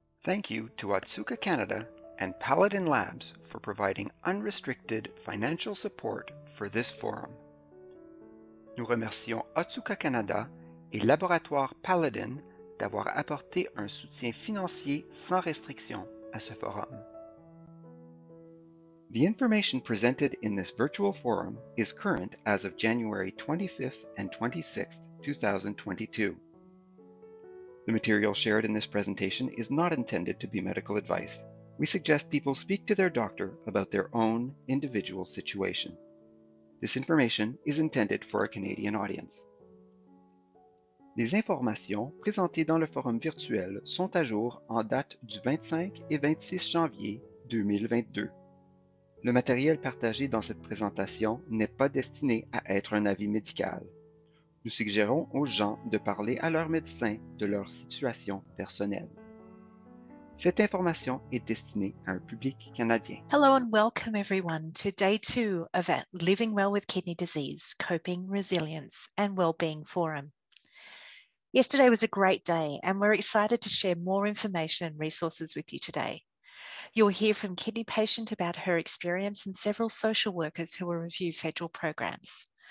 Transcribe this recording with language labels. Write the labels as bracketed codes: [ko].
[en] Thank you to Otsuka Canada and Paladin Labs for providing unrestricted financial support for this forum. [fr] Nous remercions Otsuka Canada et Laboratoire Paladin d'avoir apporté un soutien financier sans restriction à ce forum. [en] The information presented in this virtual forum is current as of January 25th and 26th, 2022. The material shared in this presentation is not intended to be medical advice. We suggest people speak to their doctor about their own individual situation. This information is intended for a Canadian audience. [fr] Les informations présentées dans le forum virtuel sont à jour en date du 25 et 26 janvier 2022. Le matériel partagé dans cette présentation n'est pas destiné à être un avis médical. Nous suggérons aux gens de parler à leur médecin de leur situation personnelle. Cette information est destinée à un public canadien. [en] Hello and welcome everyone to day two of Living Well with Kidney Disease, Coping, Resilience and Wellbeing Forum. Yesterday was a great day and we're excited to share more information and resources with you today. You'll hear from Kidney Patient about her experience and several social workers who will review federal programs.